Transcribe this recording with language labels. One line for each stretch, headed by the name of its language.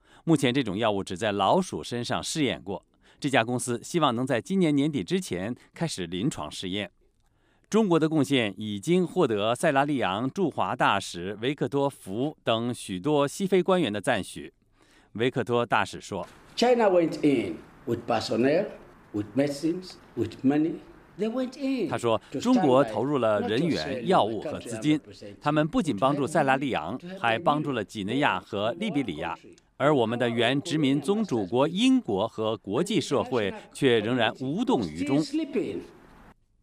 Chinese: 目前这种药物只在老鼠身上试验过。这家公司希望能在今年年底之前开始临床试验。中国的贡献已经获得塞拉利昂驻华大使维克多·福等许多西非官员的赞许。维克多大使说
English: ：“China went in with personnel, with medicines, with money.”
Chinese: 他说：“中国投入了人员、药物和资金。他们不仅帮助塞拉利昂，还帮助了几内亚和利比里亚。而我们的原殖民宗主国英国和国际社会却仍然无动于衷。”